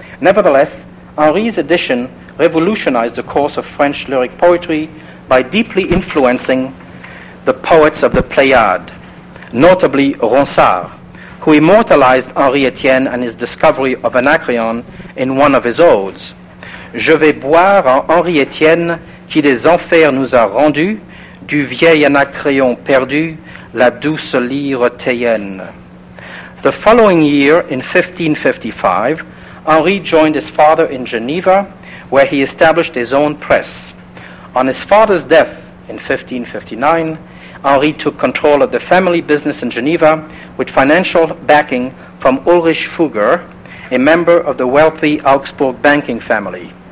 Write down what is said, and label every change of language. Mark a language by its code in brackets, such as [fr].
[en] Nevertheless, Henri's edition revolutionized the course of French lyric poetry by deeply influencing the poets of the Pléiade, notably Ronsard, who immortalized Henri Étienne and his discovery of Anacreon in one of his odes. [fr] Je vais boire à Henri Étienne qui des enfers nous a rendus, du vieil Anacreon perdu, la douce lyre théienne. [en] The following year, in 1555, Henri joined his father in Geneva, where he established his own press. On his father's death in 1559, Henri took control of the family business in Geneva with financial backing from Ulrich Fugger, a member of the wealthy Augsburg banking family.